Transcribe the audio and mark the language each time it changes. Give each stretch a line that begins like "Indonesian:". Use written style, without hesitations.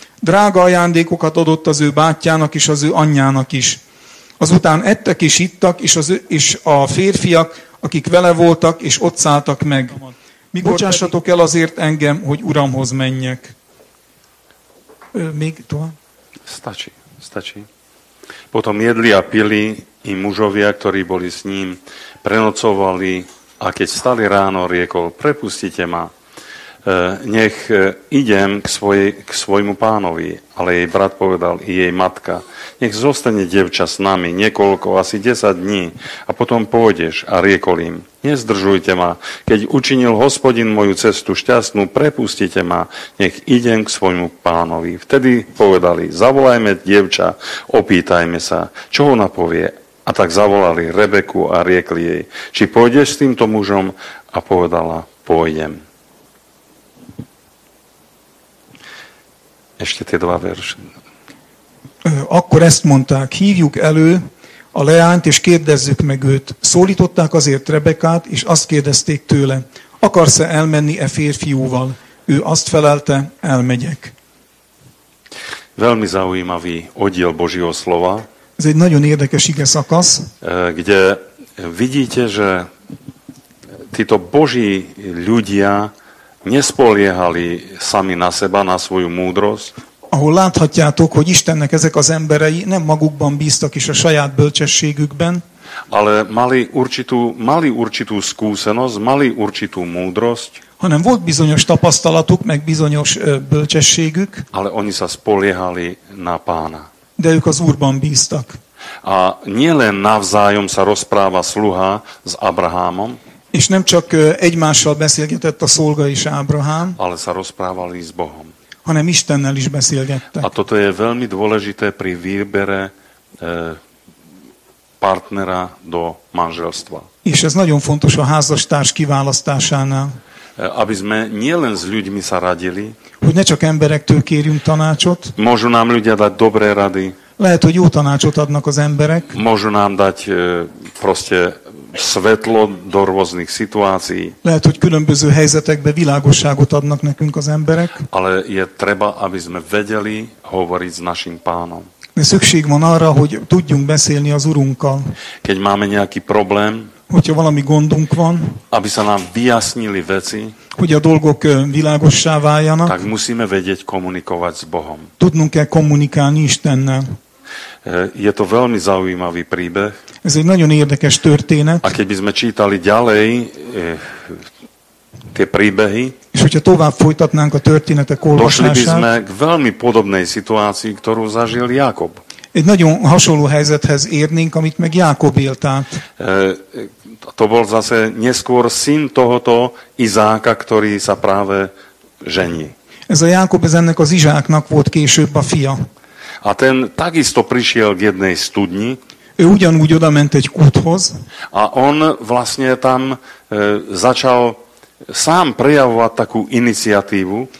Hungarian: Drága ajándékokat adott az ő bátyjának és az ő anyjának is. Azután ettek és ittak, és a férfiak, akik vele voltak, és ott szálltak meg. Bocsássatok el azért engem, hogy Uramhoz menjek. Még tovább?
Slovak: Stačí. Potom jedli a pili i mužovia, ktorí boli s ním, prenocovali a keď stali ráno, riekol, prepustite ma, nech idem k svojmu pánovi. Ale jej brat povedal i jej matka, nech zostane dievča s nami niekoľko, asi 10 dní a potom pôjdeš. A riekol im, nezdržujte ma, keď učinil Hospodin moju cestu šťastnú, prepustite ma, nech idem k svojmu pánovi. Vtedy povedali, zavolajme dievča, opýtajme sa, čo ona povie. A tak zavolali Rebeku a riekli jej, či pôjdeš s týmto mužom, a povedala, pôjdem. Ešte tie dva verše.
Hungarian: Akkor ezt mondták, hívjuk elő a leányt, és kérdezzük meg őt. Szólították azért Rebekát, és azt kérdezték tőle, akarsz-e elmenni e férfiúval? Ő azt felelte, elmegyek.
Slovak: Veľmi zaujímavý oddiel Božího slova.
Hungarian: Ez egy nagyon érdekes ige szakasz.
Slovak: Kde vidíte, že títo Boží ľudia nespoliehali sami na seba, na svoju múdrosť.
Hungarian: Ahol láthatjátok, hogy Istennek ezek az emberei nem magukban bíztak is a saját bölcsességükben.
Slovak: Ale mali určitú skúsenosť, mali určitú múdrosť.
Hungarian: Hanem volt bizonyos tapasztalatuk, meg bizonyos bölcsességük.
Slovak: Ale oni sa spoliehali na pána.
Hungarian: De ők az Úrban bíztak.
Slovak: A nielen navzájom sa rozpráva sluha s Abrahámom,
Hungarian: és nem csak egymással beszélgetett a szolga és Ábrahám,
Slovak: ale sa rozprávali s Bohom,
Hungarian: hanem Istennel is beszélgettek.
Slovak: A toto je veľmi dôležité pri výbere partnera do manželstva.
Hungarian: És ez nagyon fontos a házastárs kiválasztásánál.
Slovak: Aby sme nielen s ľuďmi sa radili,
Hungarian: hogy ne csak emberektől kérjünk tanácsot,
Slovak: môžu nám ľudia dať dobré rady,
Hungarian: lehet, hogy jó tanácsot adnak az emberek,
Slovak: môžu nám dať proste svetlo do rôznych situácií.
Hungarian: Lehet, hogy különböző helyzetekben világosságot adnak nekünk az emberek.
Slovak: Ale je treba, aby sme vedeli hovoriť s našim pánom.
Hungarian: De szükség van arra, hogy tudjunk beszélni az Urunkkal.
Slovak: Keď máme nejaký problém,
Hungarian: hogyha valami gondunk van,
Slovak: aby sa nám vyjasnili veci,
Hungarian: hogy a dolgok világossá váljanak,
Slovak: tak musíme vedieť komunikovať s Bohom.
Hungarian: Tudnunk kell kommunikálni Istennel.
Slovak: Je to veľmi zaujímavý príbeh.
Hungarian: Ez egy nagyon érdekes történet.
Slovak: A keď by sme čítali ďalej tie príbehy,
Hungarian: és hogyha tovább folytatnánk a történetek olvasását,
Slovak: došli by sme k veľmi podobnej situácii, ktorú zažil Jákob.
Hungarian: Egy nagyon hasonló helyzethez érnénk, amit meg Jákob élt át.
Slovak: To bol zase neskôr syn tohoto Izáka, ktorý sa práve žení.
Hungarian: Ez a Jákob, ez ennek az Izsáknak volt később a fia.
Slovak: A ten takisto prišiel k jednej studni.
Hungarian: Ő ugyanúgy oda ment egy kúthoz.
Slovak: A on vlastne tam začal sám prejavovať takú iniciatívu.